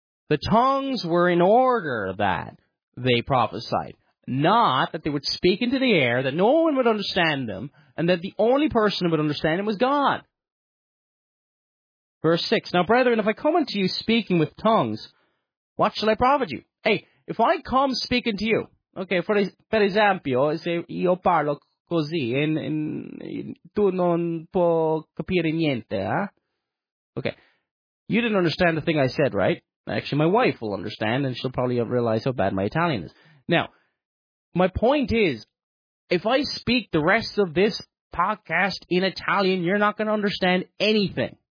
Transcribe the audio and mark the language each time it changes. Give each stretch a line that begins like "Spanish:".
English: The tongues were in order that they prophesied, not that they would speak into the air, that no one would understand them, and that the only person who would understand them was God. Verse 6. Now, brethren, if I come unto you speaking with tongues, what shall I profit you? Hey, if I come speaking to you, okay,
Italian: per esempio, se io parlo così, tu non puoi capire niente, eh?
English: Okay, you didn't understand the thing I said, right? Actually, my wife will understand, and she'll probably realize how bad my Italian is. Now, my point is, if I speak the rest of this podcast in Italian, you're not going to understand anything.